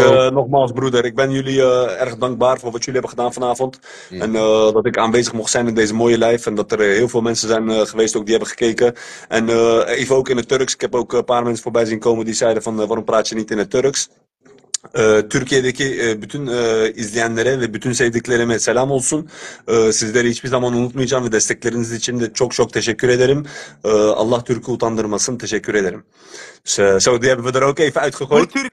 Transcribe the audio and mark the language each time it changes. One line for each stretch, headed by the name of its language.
Dutch: Nogmaals, broeder, ik ben jullie erg dankbaar voor wat jullie hebben gedaan vanavond. Mm. En dat ik aanwezig mocht zijn in deze mooie live. En dat er heel veel mensen zijn geweest ook die hebben gekeken. En even ook in het Turks. Ik heb ook een paar mensen voorbij zien komen die zeiden van waarom praat je niet in het Turks.
Turkish: Türkiye'deki bütün izleyenlere ve bütün sevdiklerime selam olsun. Sizleri hiçbir zaman unutmayacağım ve destekleriniz için de çok çok teşekkür ederim. Allah Türk'ü utandırmasın. Teşekkür ederim.
Dutch: So, die hebben we er ook even uitgegooid.